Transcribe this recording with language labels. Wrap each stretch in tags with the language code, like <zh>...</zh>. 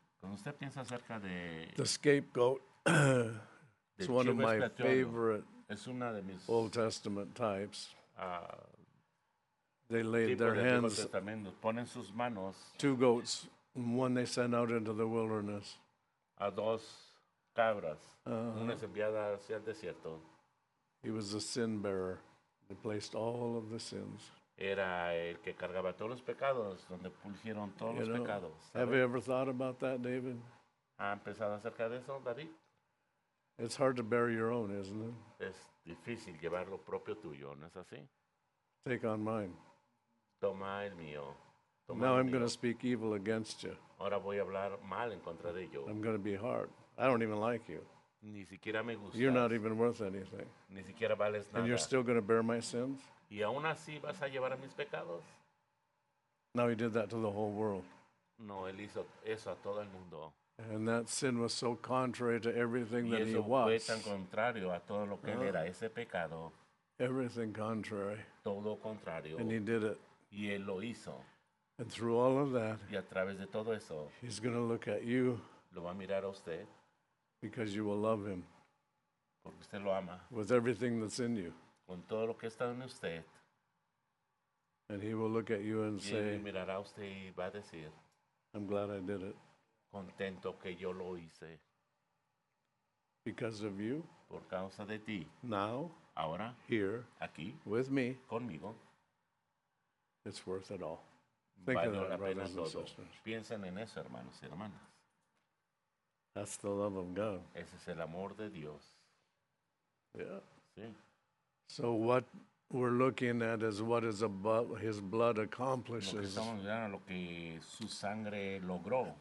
<es>cuando usted piensa acerca de</es> <en>the scapegoat, it's one of my favorite</en> <es>es una de mis</es> <en>Old Testament types. They laid their hands.</en> <es>Ponen sus manos,</es> <en>two goats, one they sent out into the wilderness.</en> <es>A dos cabras, una es enviada hacia el desierto.</es> <en>He was a sin bearer. He placed all of the sins.</en> <es>Era el que cargaba todos los pecados, donde pusieron todos</es> <en>you</en> <es>los</es> <en>know,</en> <es>pecados. ¿Sabe?</es> <en>Have you ever thought about that, David?</en> <es>¿Ha empezado acerca de eso, David?</es> <en>It's hard to bear your own, isn't it?</en> <es>Es difícil llevar lo propio tuyo, ¿no es así?</es> <en>Take on mine.</en> <es>Toma el mío. Toma</es> <en>now</en> <es>el</es> <en>I'm</en> <es>mío.</es> <en>Going to speak evil against you.</en> <es>Ahora voy a hablar mal en contra de ello.</es> <en>I'm going to be hard. I don't even like you.</en> <es>Ni siquiera me gustas.</es> <en>You're not even worth anything.</en> <es>Ni siquiera vales nada.</es> <en>And you're still going to bear my sins?</en> <es>Y aún así vas a llevar a mis pecados?</es> <en>Now he did that to the whole world.</en> <es>No, él hizo eso a todo el mundo.</es> <en>And that sin was so contrary to everything</en> <es>y</es> <en>that</en> <es>eso</es> <en>he was.</en> <es>Fue tan contrario a todo lo que él era, ese pecado.</es> <en>Everything contrary.</en> <es>Todo contrario.</es> <en>And he did it.</en> <es>Y él lo hizo.</es> <en>And through all of that,</en> <es>y a través de todo eso,</es> <en>he's going to look at you.</en> <es>Lo va a mirar a usted.</es> <en>Because you will love him.</en> <es>Porque usted lo ama.</es> <en>With everything that's in you.</en> <es>Con todo lo que está en usted.</es> <en>And he will look at you and say,</en> <es>mirará a usted y va a decir,</es> <en>I'm glad I did it.</en> <es>Contento que yo lo hice.</es> <en>Because of you.</en> <es>Por causa de ti.</es> <en>Now.</en> <es>Ahora.</es> <en>Here.</en> <es>Aquí.</es> <en>With me.</en> <es>Conmigo.</es> <en>It's worth it all.</en> <es>Think valió of that,</es> <en>brothers and sisters.</en> <es>Piensen en eso, hermanos y hermanas.</es> <en>That's the love of God.</en> <es>Ese es el amor de Dios.</es> <en>Yeah.</en> <es>Sí.</es> <en>So what we're looking at is what is above his blood accomplishes.</en> <es>Lo que estamos mirando, lo que su sangre logró.</es>